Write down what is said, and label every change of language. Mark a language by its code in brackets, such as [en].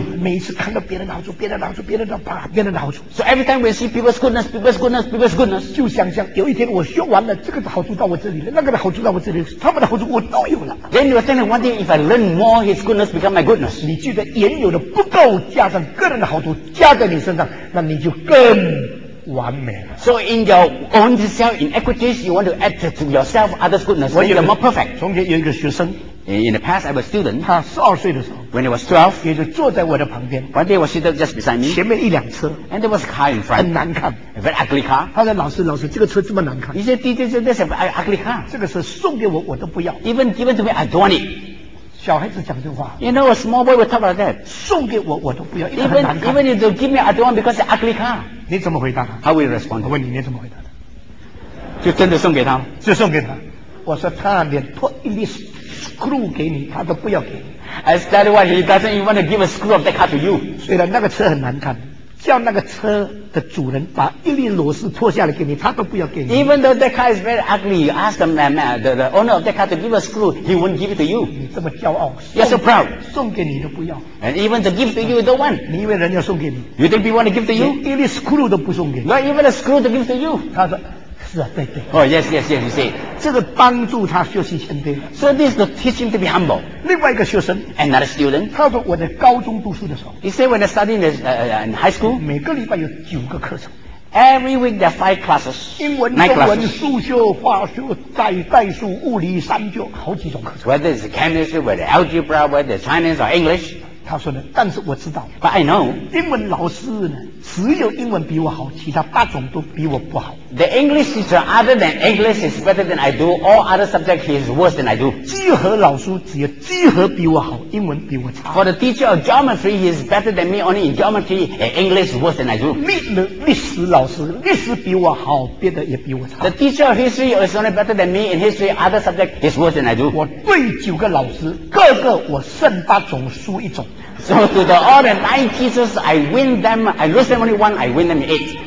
[zh] 每一次看到别人的好处，别人的好处，别人的好处，别人的好处。 [en] So every time we see people's goodness, people's goodness, people's goodness, [zh] 就想象有一天我学完了，这个好处到我这里了，那个好处到我这里，他们的好处我都有了。 [en] Then you are thinking, one day if I learn more, his goodness become my goodness. [zh] 你觉得原有的不够，加上个人的好处加在你身上，那你就更。完美了。 [en] So in your own self, in equities, you want to add to yourself others' goodness. So you're more perfect. [zh] 从前有一个学生。 [en] In the past, I was a student. [zh] 他12岁的时候。 [en] When I was 12, [zh] 也就坐在我的旁边。 [en] One day, I was sitting just beside me. [zh] 前面一辆车。 [en] And there was a car in front. [zh] 很难看。 [en] A very ugly car. [zh] 他说：“老师，这个车这么难看。 [en] ”He said, "Teacher, this is an ugly car." [zh] 这个车送给我，我都不要。 [en] Even given to me, I don't want it. [zh] 小孩子讲这话 [en] ，You know a small boy would talk like that. [zh] 送给我，我都不要， [en] Even if you give me, I don't want because it's ugly car. [zh] 你怎么回答他 [en] ？How will you respond? [zh] 我问你，你怎么回答的？就真的送给他吗？就送给他。我说他连破一粒 screw 给你，他都不要给你。 [en] As that one, he doesn't even want to give a screw of that car to you. [zh] 虽然那个车很难看。叫那个车的主人把一粒螺丝脱下来给你，他都不要给你。 [en] Even though that car is very ugly, you ask the man, the owner of that car to give a screw, he won't give it to you. [zh] 你这么骄傲 [en] ，You're so proud. [zh] 送给你都不要。 [en] And even to give to you, don't want. [zh] 你以为人家送给你 [en] ？You think people want to give to you? [zh] 一粒 screw 都不送给你。 [en] Not even a screw to give to you. [zh] 他说。是啊，对对。 [en] Oh yes, yes, yes. You see, [zh] 这个帮助他学习谦卑。 [en] So this is to teach him to be humble. [zh] 另外一个学生 [en] ，another student. [zh] 他说我在高中读书的时候 [en] ，He said when I studied in high school, [zh] 每个礼拜有9个课程。 [en] Every week there are 5 classes. [zh] 英文、中文、数学、化学、代数、物理、三教，好几种课程。 [en] Whether it's chemistry, whether algebra, whether it's Chinese or English. [zh] 他说呢，但是我知道 [en] ，But I know. [zh] 英文老师呢？只有英文比我好，其他八种都比我不好。 [en] The English teacher, other than English, is better than I do. All other subjects, he is worse than I do. [zh] 几何老师只有几何比我好，英文比我差。 [en] For the teacher of geometry, he is better than me. Only in geometry, English is worse than I do. [zh] 历史老师历史比我好，别的也比我差。 [en] The teacher of history is only better than me in history. Other subject, he is worse than I do. [zh] 我对九个老师，个个我胜八种，输一种。 [en] So to the all the 9 teachers, I win them, I lose them only one, I win them 8.